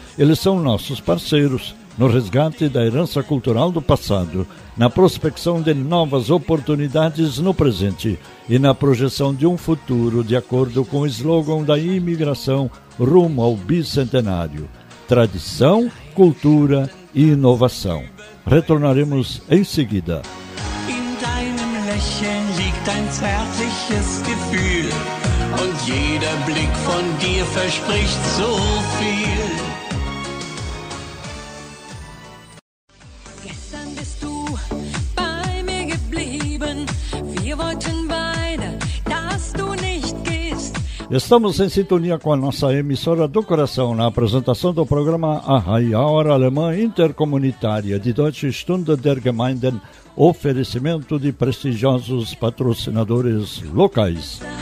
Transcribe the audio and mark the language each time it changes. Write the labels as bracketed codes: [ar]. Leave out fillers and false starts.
[pt] Eles são nossos parceiros no resgate da herança cultural do passado, na prospecção de novas oportunidades no presente e na projeção de um futuro de acordo com o slogan da imigração rumo ao bicentenário: tradição, cultura e inovação. Retornaremos em seguida. [de] Dein zärtliches Gefühl und jeder Blick von dir verspricht so viel. Gestern bist du bei mir geblieben. Wir wollten beide, dass du nicht gehst. [pt] Estamos em sintonia com a nossa emissora do coração na apresentação do programa A Hora Alemã Intercomunitária de Deutsche Stunde der Gemeinden. Oferecimento de prestigiosos patrocinadores locais.